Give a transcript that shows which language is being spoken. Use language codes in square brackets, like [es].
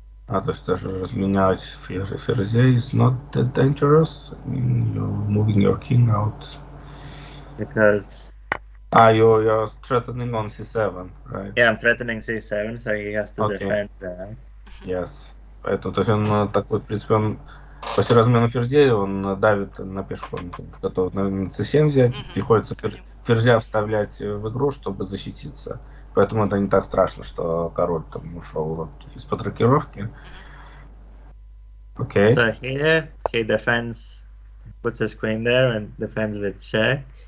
[ru] Ah, то есть даже разменять ферзей [en] is not that dangerous. I mean, you're moving your king out. Because... Ah, you're threatening on c7, right? Yeah, I'm threatening c7, so he has to defend that. Yes. [ru] Поэтому, то есть он такой, в принципе, он... После размена ферзей он давит на пешком, готов на c7 взять, mm-hmm. приходится ферзя вставлять в игру, чтобы защититься. Поэтому это не так страшно, что король там ушел вот из-под рокировки. [en] Okay. So here he defends, puts his queen there and defends with check.